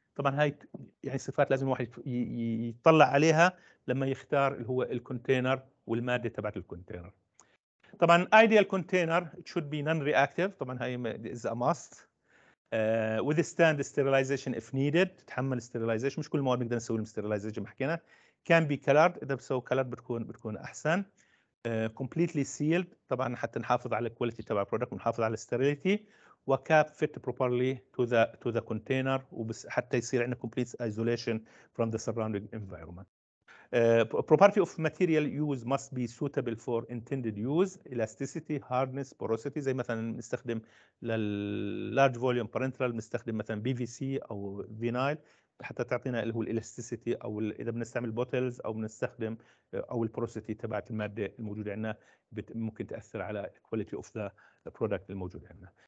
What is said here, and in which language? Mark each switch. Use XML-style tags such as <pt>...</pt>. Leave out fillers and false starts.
<ar>طبعا هاي يعني صفات لازم الواحد يطلع عليها لما يختار اللي هو الكونتينر والماده تبعت الكونتينر. طبعا</ar> <en>ideal container should be non reactive طبعا هاي از a must withstand sterilization if needed</en> <ar>تتحمل</ar> <en>sterilization</en> <ar>مش كل المواد بنقدر نسوي</ar> <en>sterilization</en> <ar>حكينا.</ar> <en>can be colored</en> <ar>اذا بسوي</ar> <en>colored</en> <ar>بتكون احسن.</ar> <en>completely sealed</en> <ar>طبعا حتى نحافظ على الكواليتي تبع البرودكت ونحافظ على</ar> <en>sterility و cap fit properly to the container</en> <ar>حتى يصير عندنا</ar> <en>complete isolation from the surrounding environment. Property of material used must be suitable for intended use, elasticity, hardness, porosity.</en> <ar>زي مثلا نستخدم لللارج فوليوم بارنترال نستخدم مثلا PVC او فينايل حتى تعطينا اللي هو الالاستيسيتي او اذا بنستعمل بوتلز او بنستخدم او البوروسيتي تبعت الماده الموجوده عندنا ممكن تاثر على</ar> <en>quality of the product</en> <ar>الموجود عندنا.</ar>